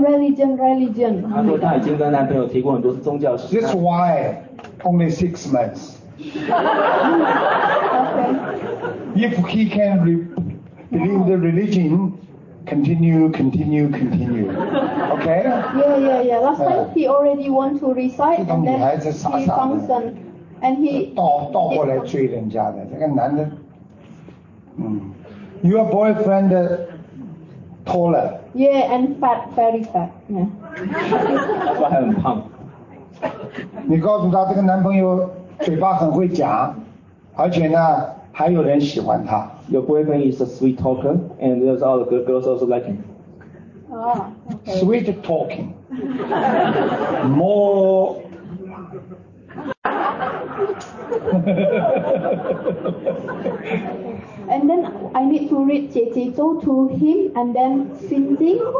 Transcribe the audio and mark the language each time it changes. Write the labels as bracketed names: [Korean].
[English] That's why only 6 months. Okay. If he can believe the religion, continue. Okay? Yeah. Last time he already want to recite, and then he functions. And he... [Chinese] 倒过来追人家的，这个男的，嗯。 [English] Your boyfriend taller. Yeah, and fat, very fat. [Chinese] Yeah. 还很胖。你告诉他这个男朋友嘴巴很会讲，而且呢还有人喜欢他。 [English] Your boyfriend is a sweet talker, and there's all the good girls also like him. Oh, okay. Sweet talking. More. And then I need to read 姐姐咒 to him, and then singing.